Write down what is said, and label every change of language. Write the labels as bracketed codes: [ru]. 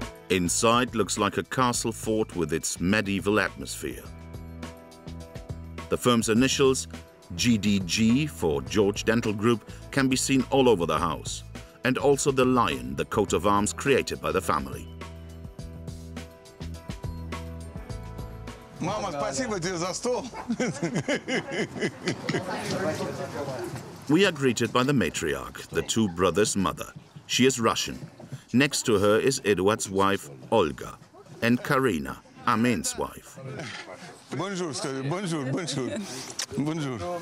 [en] Inside looks like a castle fort with its medieval atmosphere. The firm's initials, GDG for George Dental Group, can be seen all over the house. And also the lion, the coat of arms created by the family. [ru] Мама, спасибо тебе за стол. [en] We are greeted by the matriarch, the two brothers' mother. She is Russian. Next to her is Eduard's wife, Olga, and Karina, Armen's wife. [fr] Bonjour, bonjour, bonjour. Bonjour.